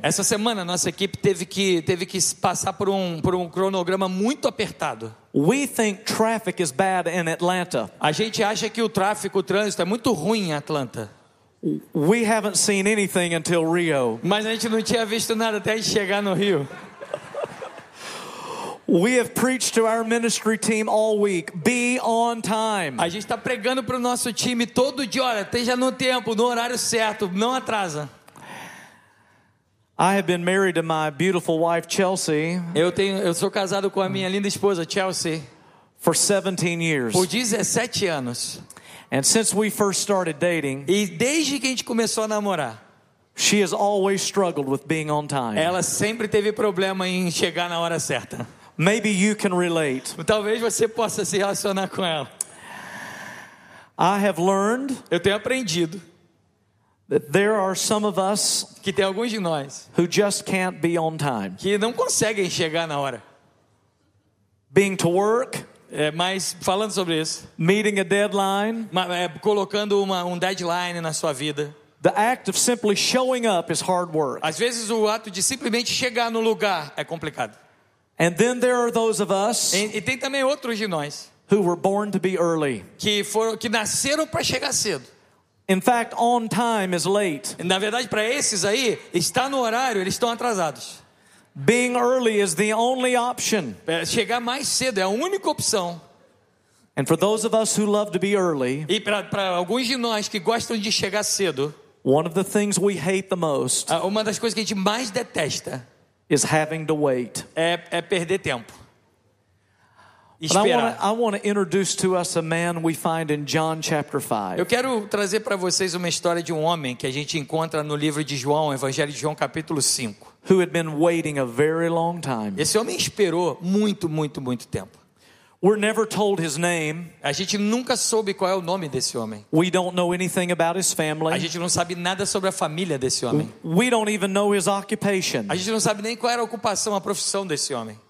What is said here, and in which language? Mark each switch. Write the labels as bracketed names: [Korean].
[Portuguese] Essa semana nossa equipe teve que passar por um cronograma muito apertado. [English] We think traffic is bad in Atlanta. [Portuguese] A gente acha que o trânsito é muito ruim em Atlanta. [English] We haven't seen anything until Rio. [Portuguese] Mas a gente não tinha visto nada até chegar no Rio. [English] We have preached to our ministry team all week. Be on time. [Portuguese] A gente está pregando para o nosso time todo dia. Olha, esteja no tempo, no horário certo, não atrasa. [English] I have been married to my beautiful wife Chelsea. [Portuguese] Eu sou casado com a minha linda esposa Chelsea. [English] For 17 years. [Portuguese] Por 17 anos. [English] And since we first started dating. [Portuguese] E desde que a gente começou a namorar. [English] She has always struggled with being on time. [Portuguese] Ela sempre teve problema em chegar na hora certa. [English] Maybe you can relate. [Portuguese] Talvez você possa se relacionar com ela. [English] I have learned. [Portuguese] Eu tenho aprendido. [English] That there are some of us. [Portuguese] Que tem alguns de nós. [English] Who just can't be on time. [Portuguese] Que não conseguem chegar na hora. [English] Being to work. [Portuguese] Mas falando sobre isso. [English] Meeting a deadline. [Portuguese] Colocando um deadline na sua vida. [English] The act of simply showing up is hard work. [Portuguese] Às vezes o ato de simplesmente chegar no lugar é complicado. [English] And then there are those of us [Portuguese] e tem também outros de nós [English] who were born to be early. [Portuguese] Que nasceram para chegar cedo. [English] In fact, on time is late. [Portuguese] Na verdade, para esses aí, está no horário, eles estão atrasados. [English] Being early is the only option. [Portuguese] Chegar mais cedo é a única opção. [English] And for those of us who love to be early, [Portuguese] e para alguns de nós que gostam de chegar cedo, [English] one of the things we hate the most, [Portuguese] uma das coisas que a gente mais detesta, [English] is having to wait. [Portuguese] É perder tempo. [English] I want to introduce to us a man we find in John chapter 5. [Portuguese] Eu quero trazer para vocês uma história de um homem que a gente encontra no livro de João, Evangelho de João, capítulo 5. [English] Who had been waiting a very long time. [Portuguese] Esse homem esperou muito, muito, muito tempo. [English] We're never told his name. [Portuguese] A gente nunca soube qual é o nome desse homem. [English] We don't know anything about his family. [Portuguese] A gente não sabe nada sobre a família desse homem. [English] We don't even know his occupation. [Portuguese] A gente não sabe nem qual era a ocupação, a profissão desse homem.